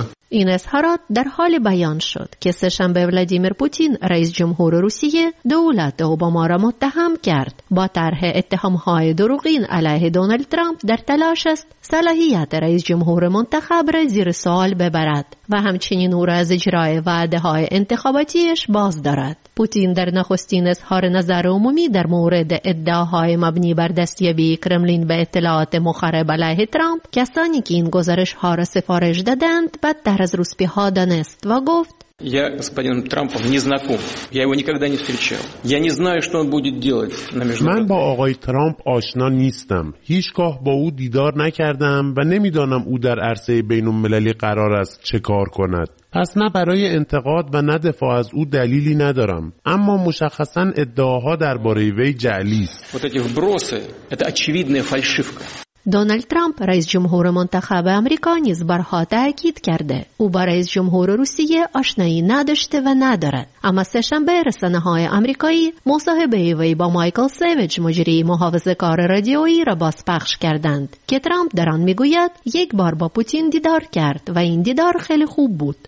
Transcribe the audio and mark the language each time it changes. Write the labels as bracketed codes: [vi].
[fa] این اظهارات در حال بیان شد که سه‌شنبه ولادیمیر پوتین رئیس جمهور روسیه دولت اوباما را متهم کرد با طرح اتهام‌های دروغین علیه دونالد ترامپ در تلاش است صلاحیت رئیس جمهور منتخب را زیر سوال ببرد و همچنین او را از اجرای وعده‌های انتخاباتیش باز دارد. پوتین در نخستین اظهار نظر عمومی در مورد ادعاهای مبنی بر دستیابی کرملین به اطلاعات مخرب علیه ترامپ، کسانی که این گزارش‌ها را سفارش دادند، بدتر از روسپی‌ها دانست و گفت: [ru] Я с господином Трампом не знаком. Я его никогда не встречал. Я не знаю, что он будет делать на международном. Я с господином Трампом [fa] آشنا نیستم. هیچگاه با او دیدار نکردم و نمیدانم او در عرصه بین المللی قرار است چه کار کند. پس نه برای انتقاد و نه دفاع از او دلیلی ندارم، اما مشخصا ادعاها درباره وی جعلی است. [ru] Вот эти вбросы это очевидная фальшивка. [fa] دونالد ترامپ رئیس جمهور منتخب آمریکا نیز برها تأکید کرده او با رئیس جمهور روسیه آشنایی نداشته و ندارد، اما سه‌شنبه رسانه‌های آمریکایی مصاحبه وی با مایکل سیویج مجری محافظه‌کار رادیویی را بازپخش کردند که ترامپ در آن میگوید یک بار با پوتین دیدار کرد و این دیدار خیلی خوب بود.